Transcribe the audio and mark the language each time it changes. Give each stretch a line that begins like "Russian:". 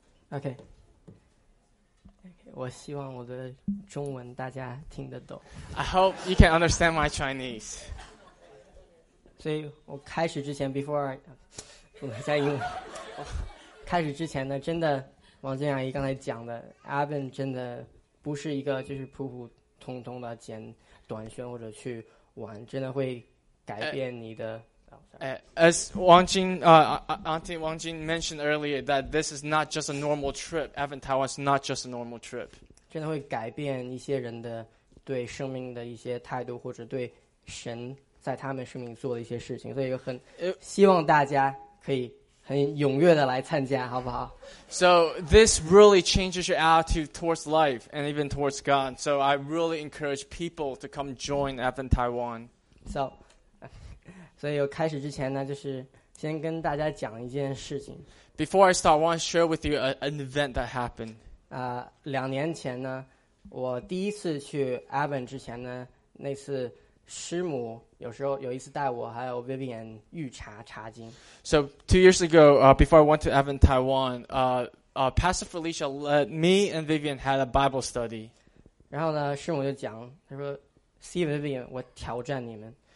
Chinese: OK，我希望我的中文大家听得懂。
English: I hope you can understand my Chinese.
Chinese: 所以我开始之前，before 我加英文，开始之前呢，真的，王静阿姨刚才讲的，Aben 真的不是一个就是普普通通的剪短宣或者去玩，真的会改变你的。
English: As Wang Jing, Auntie Wang Jing mentioned earlier that this is not just a normal trip. Evan Taiwan is not just a normal trip.
Chinese: 真的会改变一些人的对生命的一些态度，或者对神在他们生命做的一些事情，所以很希望大家可以很踊跃的来参加，好不好？
English: So this really changes your attitude towards life and even towards God. So I really encourage people to come join Evan Taiwan. So.
Chinese: 所以我开始之前呢，就是先跟大家讲一件事情。
English: Before I start, I want to share with you an event that happened.
Chinese: 两年前呢，我第一次去 Evan 之前呢，那次师母有时候有一次带我还有 Vivian 预查查经。
English: So 2 years ago, before I went to Evan Taiwan, Pastor Felicia led me and Vivian had a Bible study.
Chinese: 然后呢，师母就讲，她说 ，See Vivian, 我挑战你们。